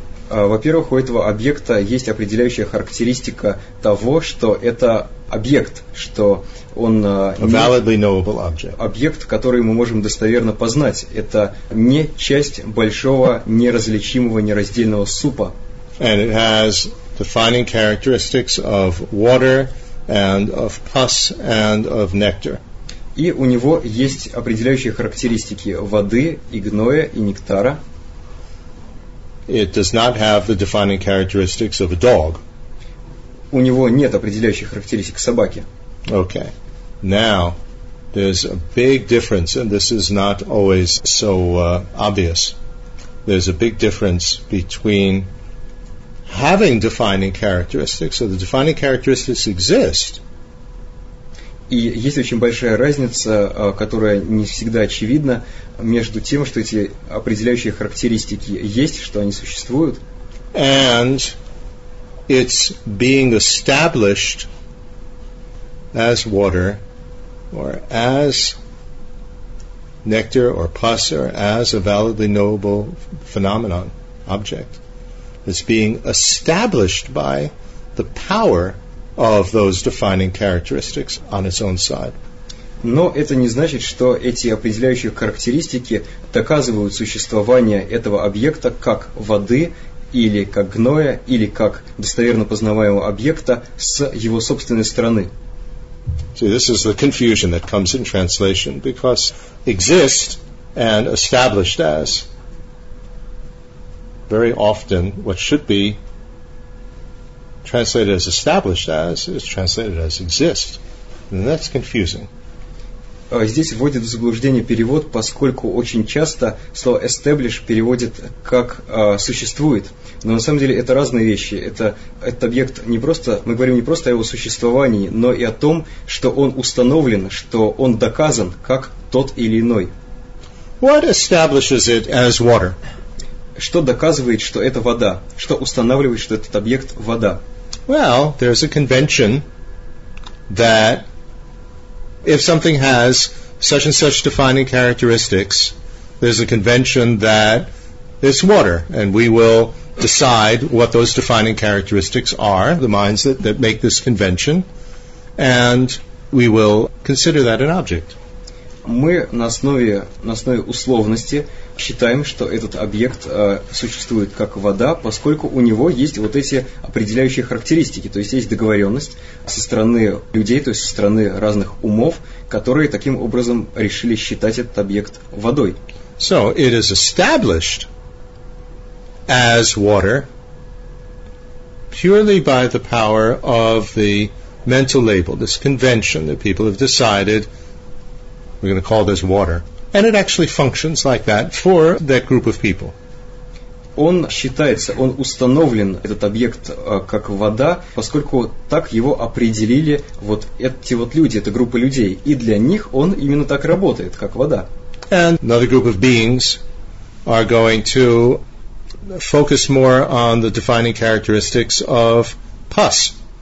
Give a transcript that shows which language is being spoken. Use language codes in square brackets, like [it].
[ru] Во-первых, у этого объекта есть определяющая характеристика того, что это объект, что он [en] validly knowable object. [ru] Объект, который мы можем достоверно познать. Это не часть большого, неразличимого, нераздельного супа. [en] And it has defining characteristics of water and of pus and of nectar. [ru] И у него есть определяющие характеристики воды, и гноя, и нектара. [en] It does not have the defining characteristics of a dog. [ru] У него нет определяющих характеристик собаки. [en] Okay. Now, There's a big difference, and this is not always so obvious. There's a big difference between having defining characteristics. So the defining characteristics exist. [ru] И есть очень большая разница, которая не всегда очевидна, между тем, что эти определяющие характеристики есть, что они существуют. [en] And it's being established as water or as nectar or pus or as a validly knowable phenomenon, object. It's being established by the power of those defining characteristics on its own side. [ru] Но это не значит, что эти определяющие характеристики доказывают существование этого объекта как воды или как гноя или как достоверно познаваемого объекта с его собственной стороны. [en] See, this is the confusion that comes in translation, because exist and established as, very often what should be translated as established as is translated as exist. And that's confusing. [ru] Здесь вводит в заблуждение перевод, поскольку очень часто слово establish переводит как существует. Но на самом деле это разные вещи. Этот объект не просто, мы говорим не просто о его существовании, но и о том, что он установлен, что он доказан как тот или иной. [en] What establishes it as water? [ru] Что доказывает, что это вода? Что устанавливает, что этот объект вода? [en] Well, there's a convention that if something has such and such defining characteristics, there's a convention that it's water, and we will decide what those defining characteristics are, the minds that make this convention, and we will consider that an object. [ru] Мы на основе условности считаем, что этот объект существует как вода, поскольку у него есть вот эти определяющие характеристики, то есть есть договоренность со стороны людей, то есть со стороны разных умов, которые таким образом решили считать этот объект водой. [en] So it is established as water purely by the power of the mental label, this convention that people have decided we're going to call this water. And it actually functions like that for that group of people. [ru] Он считается, он установлен, этот объект, как вода, поскольку так его определили вот эти вот люди, эта группа людей. И для них он именно так работает, как вода. [en] And another group of beings are going to focus more on the defining characteristics of pus.